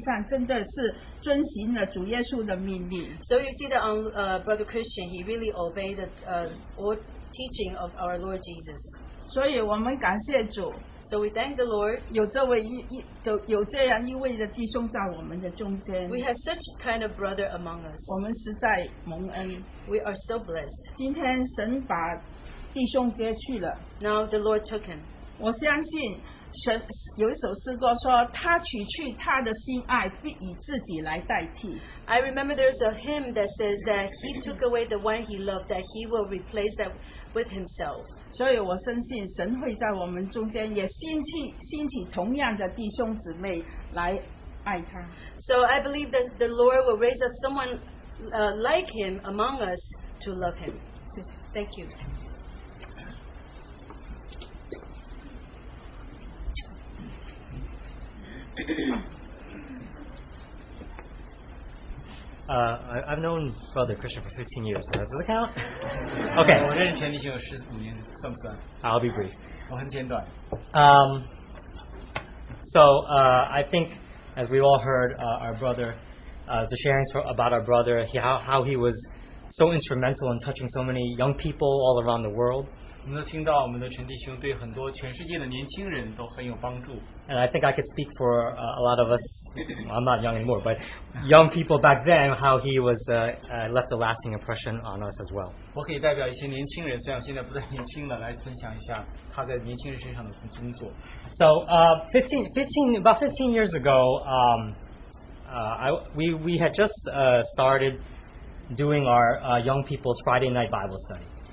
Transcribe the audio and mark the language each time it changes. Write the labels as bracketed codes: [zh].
[zh] 所以我们看见陈弟兄的身上真的是遵循了主耶稣的命令. [en] So you see that on Brother Christian, he really obeyed the old teaching of our Lord Jesus. [zh] 所以我们感谢主, [en] so we thank the Lord, [zh] 有这样一位的弟兄在我们的中间, [en] we have such kind of brother among us, [zh] 我们实在蒙恩, [en] we are so blessed. [zh] 今天神把弟兄接去了, [en] now the Lord took him. [zh] 我相信神有一首诗歌说, 他取去他的心爱, 必以自己来代替, [en] I remember there's a hymn that says that he took away the one he loved, that he will replace that with himself. [zh] 所以我深信神会在我们中间也兴起同样的弟兄姊妹来爱他, [en] so I believe that the Lord will raise up someone like him among us to love him. Thank you. 、I've known Brother Christian for 15 years. So does it count? Okay. [zh] 我认识陈弟兄有15年, 算不算? [en] I'll be brief. [zh] 我很简短. [en] I think, as we all heard, our brother, the sharings about our brother, how he was so instrumental in touching so many young people all around the world. [zh] 我们都听到我们的陈弟兄对很多全世界的年轻人都很有帮助. [en] And I think I could speak for a lot of us, well, I'm not young anymore, but young people back then, how he was left a lasting impression on us as well. [zh] 我可以代表一些年轻人，虽然现在不再年轻了，来分享一下他在年轻人身上的工作。 [en] So about 15 years ago, we had just started doing our young people's Friday night Bible study.